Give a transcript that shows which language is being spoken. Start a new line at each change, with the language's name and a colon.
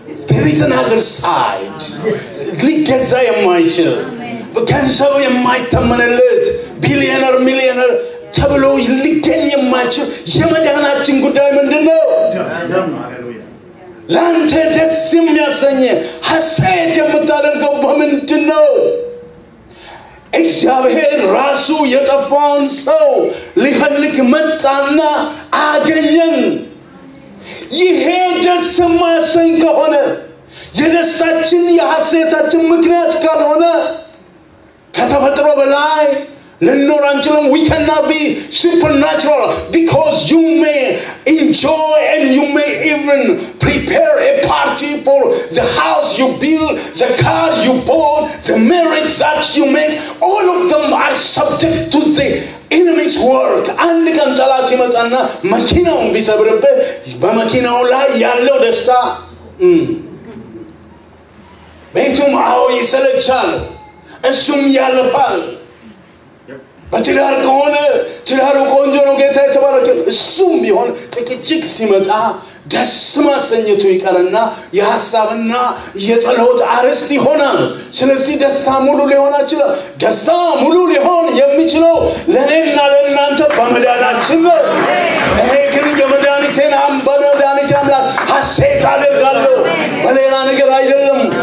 English: there is another side
Amharic: ሊገዛ የማይችል በካንሰር የማይተመንለት ቢሊየነር ሚሊየነር ተብሎ ሊገኝ የማይችል የመድኃኒታችን ጉዳይ ምንድን ነው? ለአንተ ደስ የሚያሰኝ ሐሴት የምታደርገው በምንድን ነው? እግዚአብሔር ራሱ የጠፋውን ሰው ሊፈልግ መጣና አገኘን። ይሄ ደስ የማያሰኝ ከሆነ የደስታችን የሐሴታችን ምክንያት ካልሆነ ከተፈጥሮ በላይ ለኖር አንችልም።
English: we cannot be supernatural because you may enjoy and you may even prepare a party for the house you build, the car you bought, the marriage that you make. All of them are subject to the enemy's work. And
Amharic: ለካን ጣላት ይመጣና መኪናውን ቢሰብርበት በመኪናው ላይ ያለው ደስታ ቤቱም አው ይሰለቻል፣ እሱም ያለፋል። በትዳር ከሆነ ትዳሩ ቆንጆ ነው፣ ጌታ የተባረከ። እሱም ቢሆን ጥቂጭቅ ሲመጣ ደስ ማሰኘቱ ይቀርና የሐሳብና የጸሎት አርስት ይሆናል። ስለዚህ ደስታ ሙሉ ሊሆን ይችላል። ደስታ ሙሉ ሊሆን የሚችለው ለኔና ለእናንተ በመዳናችን ነው። እኔ ግን የመዳኒቴን በመዳኒቴ አምላክ ሐሴት አደርጋለሁ፣ በሌላ ነገር አይደለም።